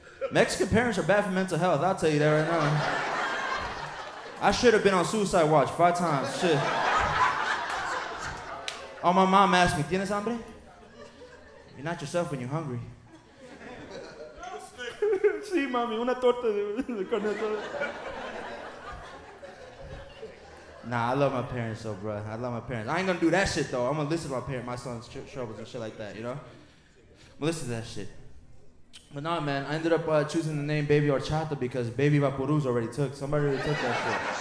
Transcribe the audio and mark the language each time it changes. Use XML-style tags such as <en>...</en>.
<en>Mexican parents are bad for mental health, I'll tell you that right now. I should have been on suicide watch 5 times, shit. Oh, my mom asked me,</en> <es>¿tienes hambre?</es> <en>You're not yourself when you're hungry.</en> <es>Sí, mami, una torta de carne asada.</es> <en>Nah, I love my parents though, bro. I love my parents. I ain't gonna do that shit though. I'm gonna listen to my parents, my son's troubles and shit like that, you know? I'm gonna listen to that shit. But nah, man, I ended up choosing the name Baby Horchata because Baby Vaporuz already took. Somebody already took that shit.</en>